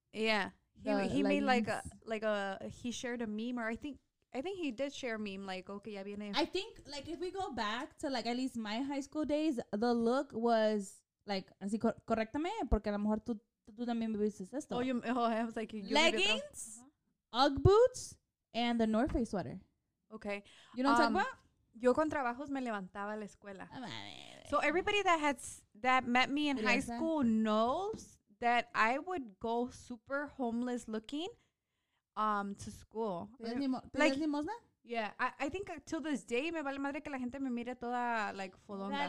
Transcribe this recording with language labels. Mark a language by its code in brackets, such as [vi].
[en] yeah. He made like a he shared a meme or I think he did share a meme, like, okay, [es] ya viene. [en] I think, like, if we go back to, like, at least my high school days, the look was, like, [es] así, correctame, porque a lo mejor tú también viviste esto. [en] Oh, I was like, you leggings, Ugg boots, and the North Face sweater. Okay. You know what I'm talking about? [es] Yo con trabajos me levantaba a la escuela. [en] So everybody that met me in high school knows that I would go super homeless looking to school. Like limosna? Yeah. I think till this day [es] me vale madre que la gente me mire toda like fodonga.